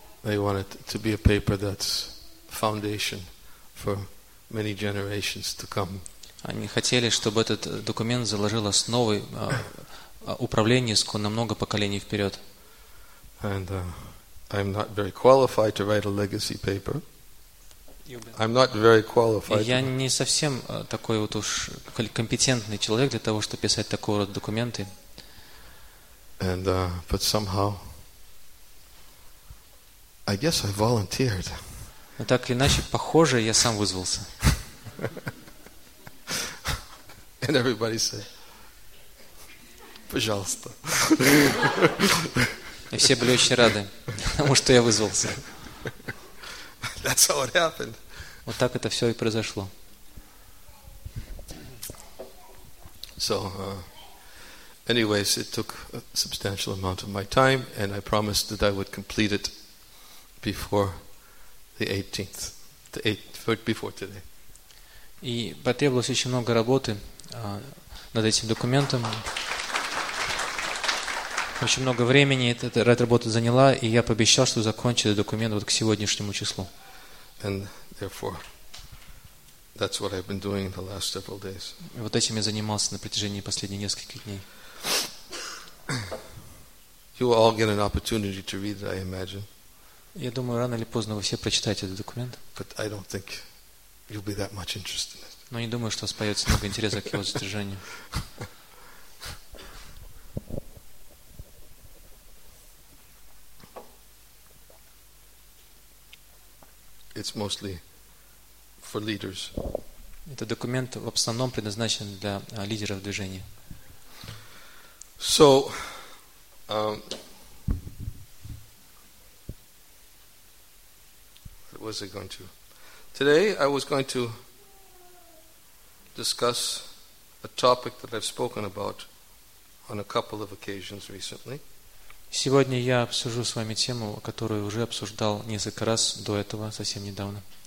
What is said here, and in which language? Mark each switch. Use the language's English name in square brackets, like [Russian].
[English] They want it to be a paper that's foundation for many generations to come. [Russian] Они хотели, чтобы этот документ заложил основы управления ISKCON на много поколений вперед. [English] And I'm not very qualified to write a legacy paper. I'm not very qualified. [Russian] Я не совсем такой вот уж компетентный человек для того, чтобы писать такого рода документы. [English] And but somehow, I guess I volunteered. [Russian] Но так или иначе, похоже, я сам вызвался. [English] And everybody said, [Russian] пожалуйста. И все были очень рады, потому что я вызвался. [English] That's how it happened. [Russian] Вот так это все и произошло. [English] So, anyways, it took a substantial amount of my time, and I promised that I would complete it before the 18th, before today. [Russian] И потребовалось очень много работы над этим документом. Очень много времени эта работа заняла, и я пообещал, что закончу этот документ вот к сегодняшнему числу. [English] And therefore, that's what I've been doing the last several days. [Russian] Вот этим я занимался на протяжении последних нескольких дней. [English] You will all get an opportunity to read it, I imagine. [Russian] Я думаю, рано или поздно вы все прочитаете этот документ. [English] But I don't think you'll be that much interested in it. [Russian] Но не думаю, что у вас появится много интереса к его содержанию. [English] it's mostly for leaders. [Russian] Этот документ в основном предназначен для лидеров движения. [English] So, what was I going to? Today I was going to discuss a topic that I've spoken about on a couple of occasions recently. [Russian] Сегодня я обсужу с вами тему, которую уже обсуждал несколько раз до этого, совсем недавно.